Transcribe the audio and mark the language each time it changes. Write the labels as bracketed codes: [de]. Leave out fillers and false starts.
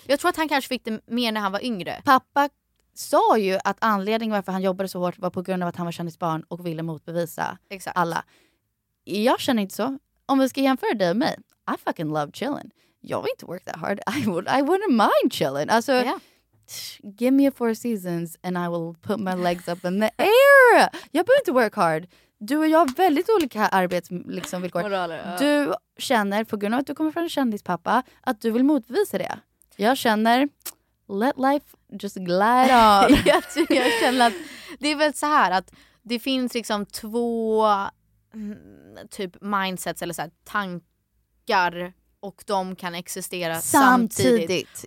[sv] Jag tror att han kanske fick det mer när han var yngre. Pappa sa ju att anledningen varför han jobbade så hårt var på grund av att han var kändisbarn och ville motbevisa exakt. Alla. Jag känner inte så. Om vi ska jämföra dig med, [en] I fucking love chilling. [sv] Jag vill inte [en] work that hard. I wouldn't mind chilling. [sv] Alltså, [en] yeah. Give me a Four Seasons and I will put my legs up in the air. [sv] Jag behöver inte [en] work hard. [sv] Du och jag har väldigt olika arbetsvillkor. Liksom, ja. Du känner, på grund av att du kommer från kändispappa, att du vill motbevisa det. Jag känner, [en] let life just glide on. [sv] jag känner att det är väl så här att det finns liksom två typ mindsets eller så här, tankar och de kan existera samtidigt.